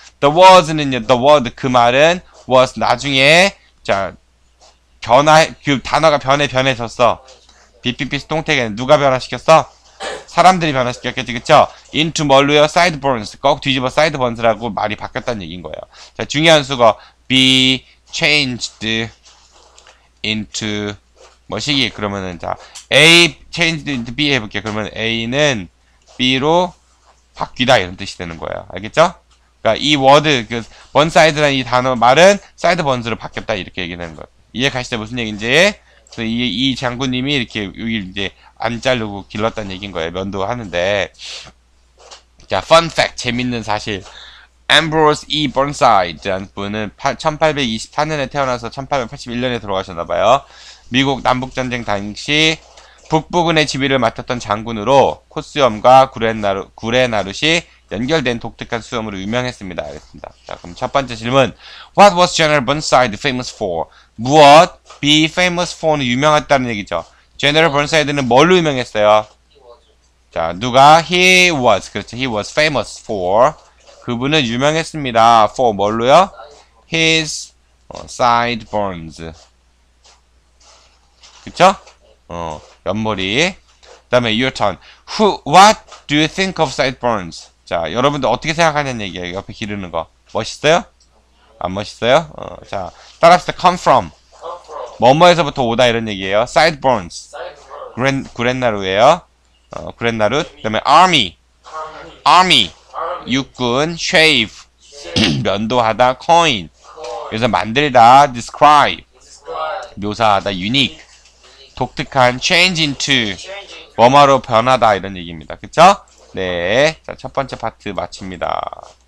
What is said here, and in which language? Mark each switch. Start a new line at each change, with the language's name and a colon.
Korean: The was는요,
English: the word,
Korean: 그 말은 was 나중에, 자, 그 단어가 변해졌어. BPP 수동태계는 누가 변화시켰어? 사람들이 변화시켰겠지, 그쵸?
English: into
Korean: 뭘로요?
English: sideburns.
Korean: 꼭 뒤집어 sideburns라고 말이 바뀌었다는 얘기인 거예요. 자, 중요한 수거.
English: be changed into
Korean: 뭐시기?
English: 그러면은, 자, a changed into b
Korean: 해볼게요. 그러면 a는 b로 바뀌다. 이런 뜻이 되는 거예요. 알겠죠? 그니까 이 word, 그, one side라는 이 단어 말은 sideburns로 바뀌었다. 이렇게 얘기되는 거예요. 이해 가시죠? 무슨 얘기인지? 그래서 이 장군님이 이렇게 여기 이제 안 자르고 길렀다는 얘기인 거예요. 면도하는데. 자,
English: fun fact.
Korean: 재밌는 사실. Ambrose E. Burnside라는 분은 1824년에 태어나서 1881년에 돌아가셨나 봐요. 미국 남북전쟁 당시 북부군의 지휘를 맡았던 장군으로 콧수염과 구레나룻이 연결된 독특한 수염으로 유명했습니다. 알겠습니다. 자, 그럼 첫 번째 질문.
English: What was General Burnside famous for?
Korean: 무엇? be famous for는 유명했다는 얘기죠. General Burnside는 뭘로 유명했어요? 자, 누가?
English: He was.
Korean: 그렇죠.
English: He was famous for.
Korean: 그분은 유명했습니다. for 뭘로요?
English: His sideburns.
Korean: 그쵸? 옆머리. 그다음에
English: your turn. What do you think of sideburns?
Korean: 자, 여러분들 어떻게 생각하냐는 얘기예요. 옆에 기르는 거. 멋있어요? 안 멋있어요? 자, 따라합시다.
English: come from.
Korean: 뭐뭐에서부터 오다 이런 얘기예요. sideburns. 구렛나루예요. 구렛나루. 그다음에 army. army 육군, shave 면도하다, coin 그래서 만들다, describe 묘사하다, unique 독특한, change into 뭐뭐로 변하다 이런 얘기입니다. 그쵸? 네, 자, 첫 번째 파트 마칩니다.